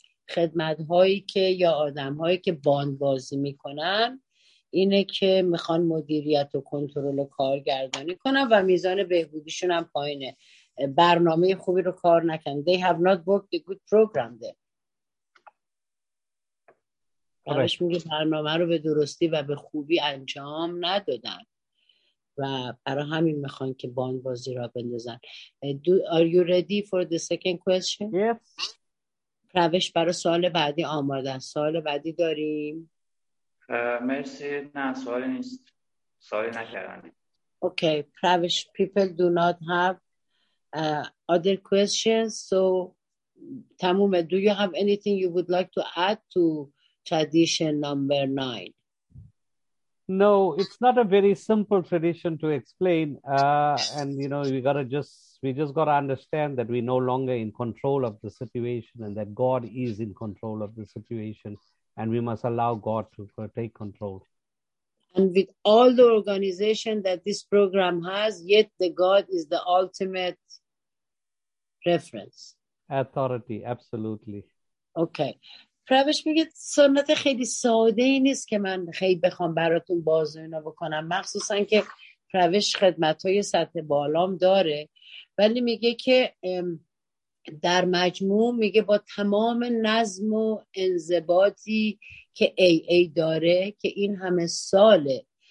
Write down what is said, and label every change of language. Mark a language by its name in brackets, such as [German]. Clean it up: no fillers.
[Persian] خدمت هایی که یا آدم هایی که باندبازی میکنن اینه که میخوان مدیریت و کنترل و کارگردانی کنن و میزان بهبودیشون هم پایینه برنامه خوبی رو کار نکنن [English] They have not worked a good program there [Persian] همش میگه برنامه رو به درستی و به خوبی انجام ندادن و برای همین میخوان که باند بازی را بندازن [English] Are you ready for the second question? Yes [Persian] روش برای سوال بعدی آماده است سوال بعدی داریم مرسی نه سوالی نیست سوالی نکردنی [English] Okay روش people do not have other questions so [Persian] تمومه [English] Do you have anything you would like to add to Tradition number 9. No, it's not a very simple tradition to explain. And, you know, we just got to understand that we're no longer in control of the situation and that God is in control of the situation. And we must allow God to take control. And with all the organization that this program has, yet the God is the ultimate reference. Authority, absolutely. Okay. [Persian] پروش میگه سنت خیلی ساده ای نیست که من خیلی بخوام براتون بازوینا بکنم مخصوصا که پروش خدمت های سطح بالام داره ولی میگه که در مجموع میگه با تمام نظم و انضباطی که ای ای داره، که این همه ساله